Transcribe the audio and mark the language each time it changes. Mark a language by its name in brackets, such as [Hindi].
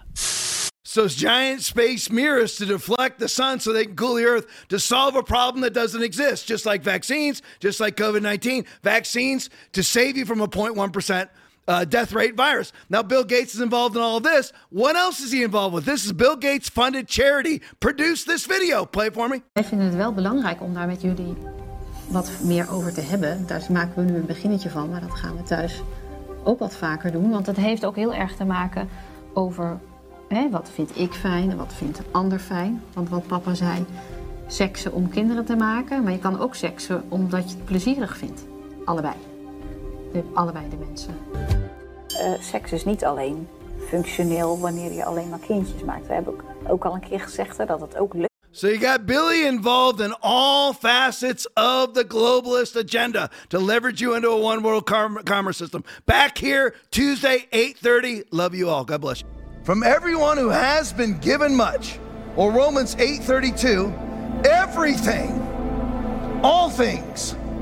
[English] So it's giant space mirrors to deflect the sun so they can cool the Earth to solve a problem that doesn't exist, just like vaccines, just like COVID-19, vaccines to save you from a 0.1% death rate virus. Now, Bill Gates is involved in all of this. What else is he involved with? This is Bill Gates' funded charity. Produce this video. Play it for me. [Dutch] Ik vind het wel belangrijk om daar met jullie wat meer over te hebben. Daar maken we nu een beginnetje van, maar dat gaan we thuis ook wat vaker doen. Want het heeft ook heel erg te maken over... Hey, wat vind ik fijn en wat vindt een ander fijn? Want wat papa zei, seksen om kinderen te maken. Maar je kan ook seksen omdat je het plezierig vindt. Allebei. Allebei de mensen. Seks is niet alleen functioneel wanneer je alleen maar kindjes maakt. We hebben ook al een keer gezegd dat het ook lukt. [English] So you got Billy involved in all facets of the globalist agenda to leverage you into a one world commerce system. Back here Tuesday, 8:30. Love you all. God bless you. From everyone who has been given much, or Romans 8:32, everything, all things.